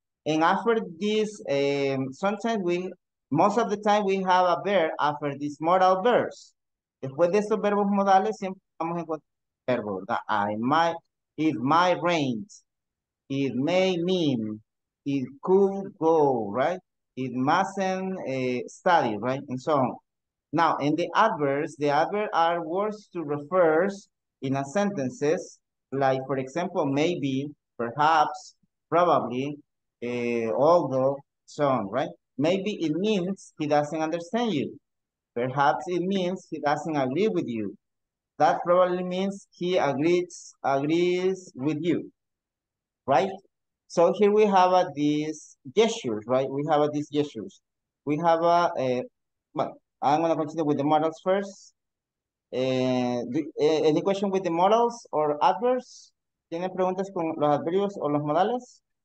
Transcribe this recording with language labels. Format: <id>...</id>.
<en>And after this, sometimes we most of the time we have a verb after this modal verbs.</en> <es>Después de estos verbos modales, siempre vamos a encontrar verbos, ¿verdad?</es> <en>I might, it might rain, it may mean, it could go, right? It mustn't study, right? And so on. Now, in the adverbs are words to refer in a sentences, like, for example, maybe, perhaps, probably, although, so on, right? Maybe it means he doesn't understand you. Perhaps it means he doesn't agree with you. That probably means he agrees with you, right? So here we have these gestures, right? We have these gestures. We have I'm gonna continue with the models first. Any question with the models or adverbs?</en> <es>¿Tiene preguntas con los adverbios o los modales?</es>